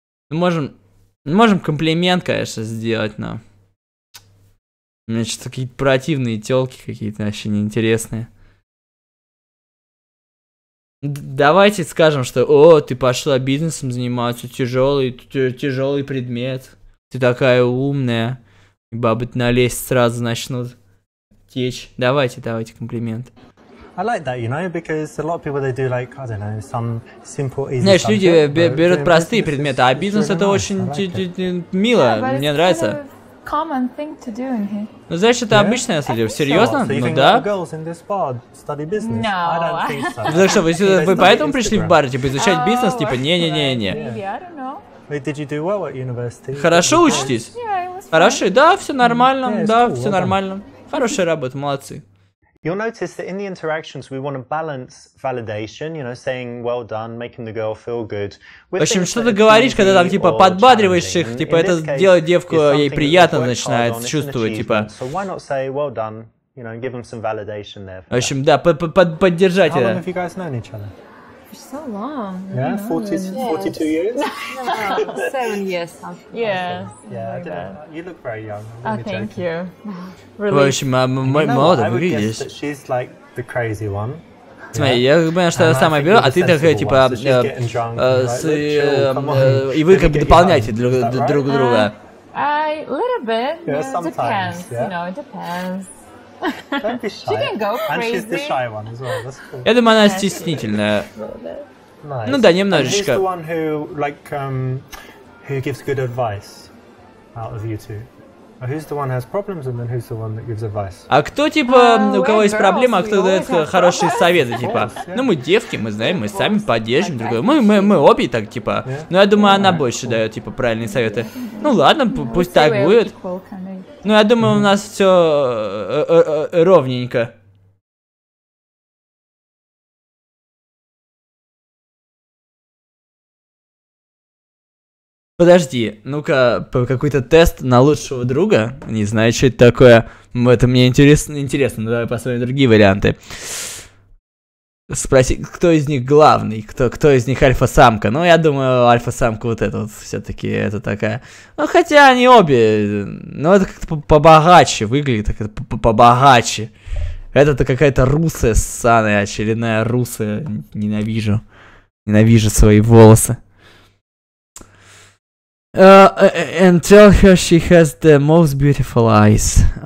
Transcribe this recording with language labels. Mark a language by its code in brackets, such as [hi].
[ru] Можем комплимент, конечно, сделать, но у меня что-то какие-то противные тёлки какие-то вообще неинтересные. Давайте скажем, что о, ты пошла бизнесом заниматься, тяжелый предмет. Ты такая умная, и бабы на лесть сразу начнут течь. Давайте комплимент. [en] I like that, you know, because a lot of people they do like, I don't know, some simple easy. [ru] Знаешь, люди берут простые предметы, а бизнес это очень мило, мне нравится. [en] Common thing to do in here. [ru] Ну, знаешь, это обычное, если серьезно, ну да. [en] No. [ru] Так что вы поэтому пришли в бар, типа изучать бизнес, типа не. [en] Did you do well at university? [ru] Хорошо учитесь? [en] Yeah, it was fine. [ru] Хорошо, да, все нормально, yeah, да, cool, все well нормально. Хорошая работа, молодцы. [en] You'll notice that in the interactions we want to balance validation, you know, saying well done, making the girl feel good. [ru] В общем, что ты говоришь, когда там типа подбадриваешь их, типа это делает девку ей приятно начинает чувствовать, типа. [en] So why not say well done, you know, give them some validation there. [ru] В общем, да, поддержать это. [en] How long have you guys known each other? So long. Yeah, 42 years. 7 Really. Well, she's like the crazy one. [ru] Смотри, я понимаю, что она самая белая, а ты такая, типа, и вы как бы дополняете друг друга. [en] A little bit. Yeah, sometimes. You know, it depends. Don't be shy. She can go crazy. And she's the shy one as well. That's cool. [ru] Я думаю, она стеснительная. Ну да, немножечко. [en] And who's the one who like who gives good advice out of you two? Or who's the one who has problems and then who's the one that gives advice? [ru] А кто типа у кого есть проблема, а кто дает хорошие советы типа? Ну мы девки, мы знаем, мы сами поддержим другую. Мы обе так типа. Но я думаю, она больше дает типа правильные советы. Ну ладно, пусть так будет. Ну, я думаю, у нас все ровненько. Подожди, ну-ка, какой-то тест на лучшего друга? Не знаю, что это такое. Это мне интересно, ну давай посмотрим другие варианты. Спроси, кто из них главный, кто из них альфа-самка. Ну, я думаю, альфа-самка вот эта вот все-таки это такая. Ну, хотя они обе, ну, это как-то побогаче выглядит, как-то побогаче. Это-то какая-то русая ссаная, очередная русая. Ненавижу. Ненавижу свои волосы. [en] And tell her she has the most beautiful eyes.